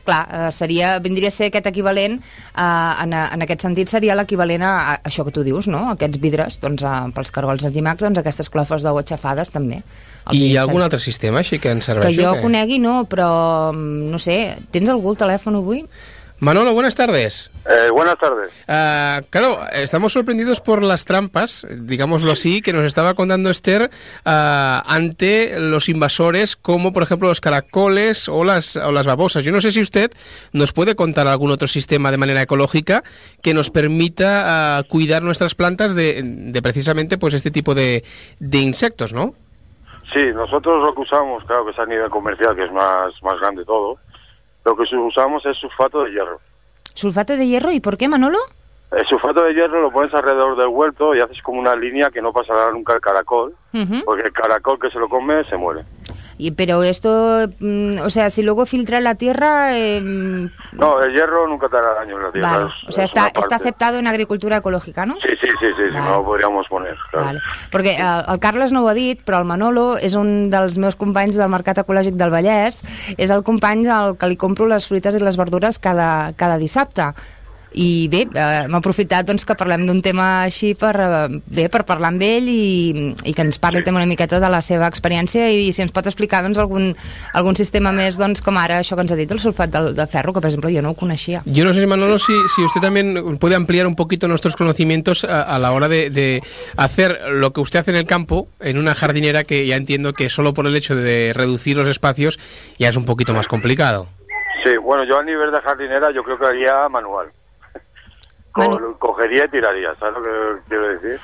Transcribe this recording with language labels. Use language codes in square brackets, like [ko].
[ca] Clar, vindria a ser aquest equivalent, en aquest sentit seria l'equivalent a això que tu dius, no? Aquests vidres, doncs, pels cargols animals, doncs aquestes clofes d'ou aixafades també. I hi ha algun altre sistema així que ens serveix? Que jo conegui, no, però no sé, tens algú al telèfon avui? [es] Manolo, buenas tardes. Buenas tardes. Claro, estamos sorprendidos por las trampas, digámoslo así, que nos estaba contando Esther ante los invasores, como por ejemplo los caracoles o las babosas. Yo no sé si usted nos puede contar algún otro sistema de manera ecológica que nos permita cuidar nuestras plantas de precisamente pues este tipo de insectos, ¿no? Sí, nosotros lo que usamos, claro, que es a nivel comercial, que es más grande todo. Lo que usamos es sulfato de hierro. ¿Sulfato de hierro? ¿Y por qué, Manolo? El sulfato de hierro lo pones alrededor del huerto y haces como una línea que no pasará nunca el caracol, porque el caracol que se lo come se muere. Y pero esto, o sea, si luego filtra la tierra... No, el hierro nunca te hará daño en la tierra. Vale. O sea, está aceptado en agricultura ecológica, ¿no? Sí, vale. Si no lo podríamos poner. Claro. Vale. [ca] Porque el Carles no ho ha dit, però el Manolo és un dels meus companys del Mercat Ecològic del Vallès. És el company al que li compro les fruites i les verdures cada dissabte. I bé, m'ha aprofitat, doncs, que parlem d'un tema així per parlar amb ell i que ens parli, sí, també una miqueta de la seva experiència i si ens pot explicar, doncs, algun sistema més, doncs, com ara això que ens ha dit, el sulfat de ferro, que per exemple jo no ho coneixia. Jo no sé, [es] Manolo, si usted también puede ampliar un poquito nuestros conocimientos a la hora de hacer lo que usted hace en el campo, en una jardinera, que ya entiendo que solo por el hecho de reducir los espacios ya es un poquito más complicado. Sí, bueno, yo a nivel de jardinera yo creo que haría manual. Cogería y tiraría, ¿sabes lo que quiero decir?